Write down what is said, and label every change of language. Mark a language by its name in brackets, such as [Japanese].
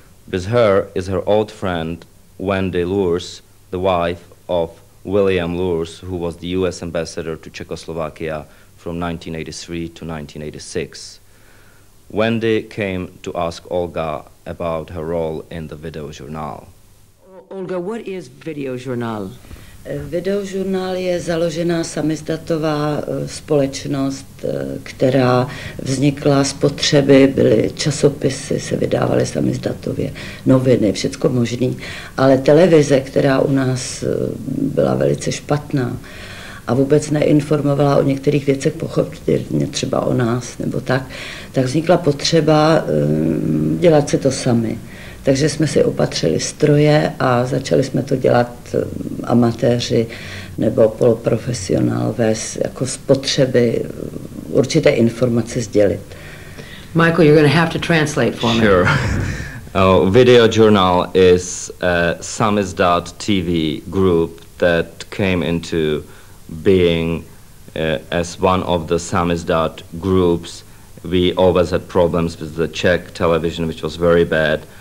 [English] With her is her old friend Wendy Luers, the wife of William Luers, who was the US ambassador to Czechoslovakia from 1983 to 1986. Wendy came to ask Olga about her role in the Video Journal. Olga, what is Video Journal? [Czech] Videožurnál je založená samizdatová společnost, která vznikla z potřeby, byly časopisy, se vydávaly samizdatově, noviny, všecko možné. Ale televize, která u nás byla velice špatná a vůbec neinformovala o některých věcech, pochopitelně třeba o nás nebo tak, tak vznikla potřeba dělat si to sami. Takže jsme si opatřili stroje a začali jsme to dělat amatéři nebo poloprofesionálové jako z potřeby určité informace sdělit. [English] Michael, you're going to have to translate for sure. me. Sure. Video Journal is a samizdat TV group that came into being as one of the samizdat groups. We always had problems with the Czech television, which was very bad.